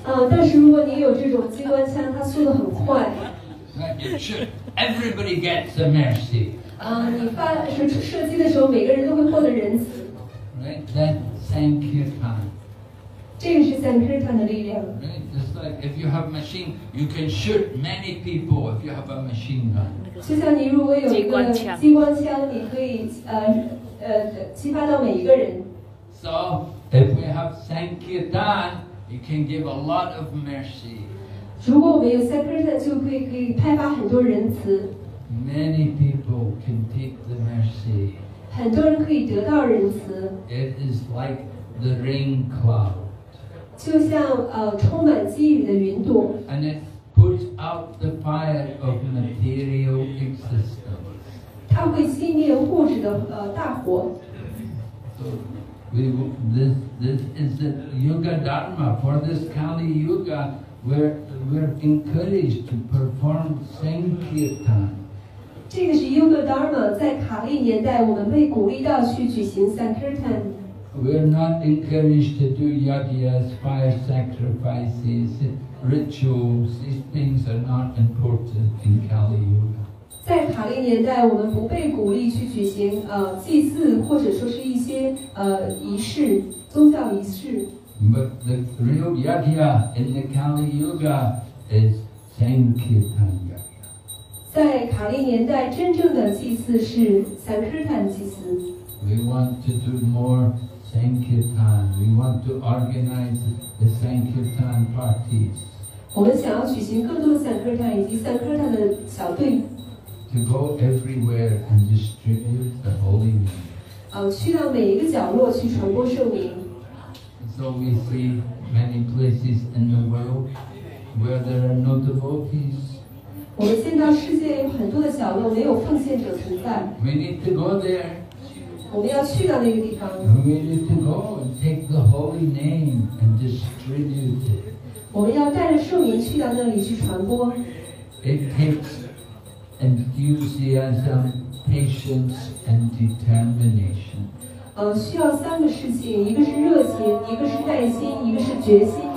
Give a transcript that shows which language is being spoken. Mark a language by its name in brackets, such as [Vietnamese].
[Chinese] 但是如果你有这种机关枪，它速度很快。 [English] Everybody gets a mercy. [Chinese] 你发射击的时候，每个人都会获得仁慈。 [English] Right, that sankirtan. [Chinese] 这个是 sankirtan 的力量。 [English] Right, just like if you have machine, you can shoot many people if you have a machine gun. [Chinese] 就像你如果有一个机关枪，你可以激发到每一个人。 [English] So if we have sankirtan, you can give a lot of mercy. [Chinese] 如果我们有 sankirtan 就可以派发很多仁慈。 [English] Many people can take the mercy. [Chinese] 很多人可以得到仁慈。 [English] It is like the rain cloud. [Chinese] 就像充满积雨的云朵。 [English] And it puts out the fire of material existence. [Chinese] 它会熄灭物质的大火。 [English] So this is the yoga dharma for this Kali Yuga. We're encouraged to perform sankirtan. [Chinese] 这个是 yoga dharma. 在卡利年代，我们被鼓励到去举行 sankirtan. [English] we're not encouraged to do yagyas, fire sacrifices, rituals. These things are not important in Kali Yuga. [Chinese] 在卡利年代，我们不被鼓励去举行祭祀，或者说是一些仪式，宗教仪式。 [English] But the real yagya in the Kali Yuga is Sankirtan yagya. [Chinese] 在卡利年代，真正的祭祀是 Sankirtan 祭祀。 [English] We want to do more Sankirtan. We want to organize the Sankirtan parties. [Chinese] 我们想要举行更多 Sankirtan 以及 Sankirtan 的小队。 [English] To go everywhere and distribute the holy name. [Chinese] 去到每一个角落去传播圣名。 [English] So we see many places in the world where there are no devotees. [Chinese] 我们见到世界有很多的角落没有奉献者存在。 [English] We need to go there. [Chinese] 我们要去到那个地方。 [English] We need to go and take the holy name and distribute it. [Chinese] 我们要带着圣名去到那里去传播。 [English] It takes enthusiasm, patience, and determination. [Chinese] 需要三个事情，一个是热情，一个是耐心，一个是决心。